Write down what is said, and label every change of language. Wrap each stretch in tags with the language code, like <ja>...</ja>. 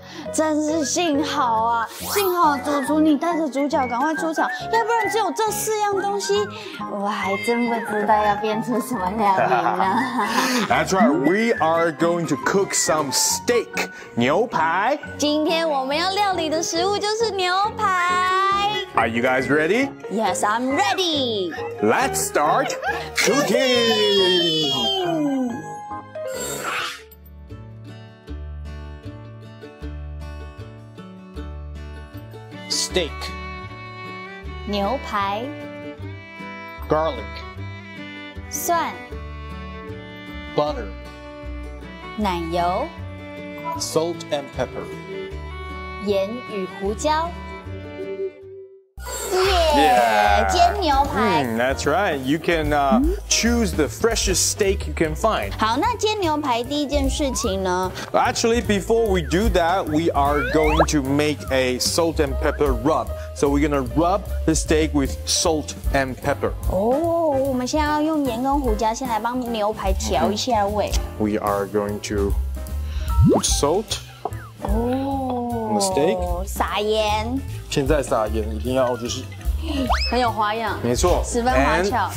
<zh>真是幸好啊，幸好主厨你带着主角赶快出场，要不然只有这四样东西，我还真不知道要变出什么料理呢。</zh> <en>That's right, we are going to cook some steak,</en> <zh>牛排。今天我们要料理的食物就是牛排。</zh> <en>Are you guys ready? Yes, I'm ready. Let's start cooking. Steak.</en> <zh>牛排</zh> <en>Garlic.</en> <zh>蒜</zh> <en>Butter.</en> <zh>奶油</zh> <en>Salt and pepper.</en> <zh>盐与胡椒 煎牛排</zh> <en>That's right. You can choose the freshest steak you can find.</en> <zh>好，那煎牛排第一件事情呢？</zh> <en>Actually, before we do that, we are going to make a salt and pepper rub. So we're going to rub the steak with salt and pepper.</en> <zh>我们现在要用盐跟胡椒先来帮牛排调一下味。</zh> <en>We are going to put salt. The steak.</en> <zh>撒盐。现在撒盐一定要就是。很有花样，没错，十分花巧。</zh>